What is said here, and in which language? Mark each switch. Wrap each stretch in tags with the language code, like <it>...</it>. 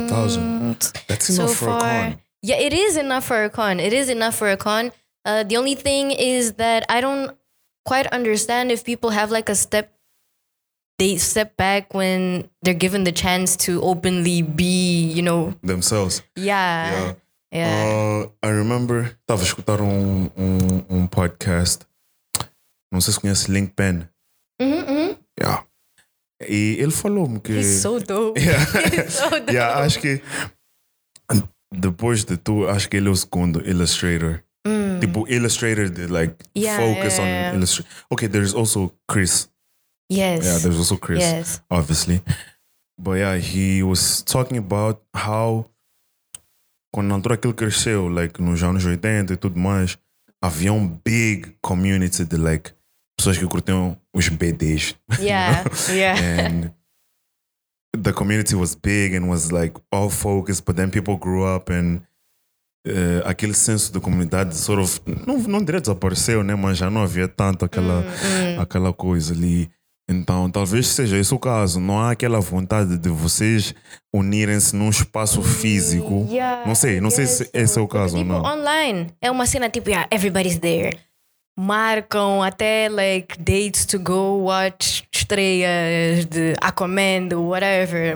<en>1,000. That's enough so for far. A con. Yeah, it is enough for a con. The only thing is that I don't quite understand if people have like a step, they step back when they're given the chance to openly be, you know, themselves. Yeah. I remember</en> <pt>estava a escutar um podcast, não sei se conhece Link Pen. Mm-hmm. Yeah. E ele falou-me que</pt> <en>he's so dope.</en> <pt>Yeah, acho que depois de tu, acho que ele é o segundo illustrator.</pt> <en>People illustrator that like focus on illustration. Okay, there's also Chris. Yes. Yeah, there's also Chris. Yes. Obviously. But yeah, he was talking about how</en> <pt>quando entrou aquilo cresceu, like nos anos 80 e tudo mais, havia um</pt> <en>big community</en> <pt>de like pessoas que curtiam os BDs.</pt> <en>Yeah. And the community was big and was like all focused, but then people grew up and</en> <pt>aquele senso de comunidade</pt> <en>sort of,</en> <pt>não diria desapareceu, né? Mas já não havia tanto aquela coisa ali. Então, talvez seja esse o caso. Não há aquela vontade de vocês unirem-se num espaço físico. Não sei se esse é o caso ou não. Tipo,</pt> <en>online</en> <pt>é uma cena tipo,</pt> <en>yeah, everybody's there.</en> <pt>Marcam até,</pt> <en>like, dates to go watch</en> <pt>estreias de</pt> <en>Aquaman, whatever.</en>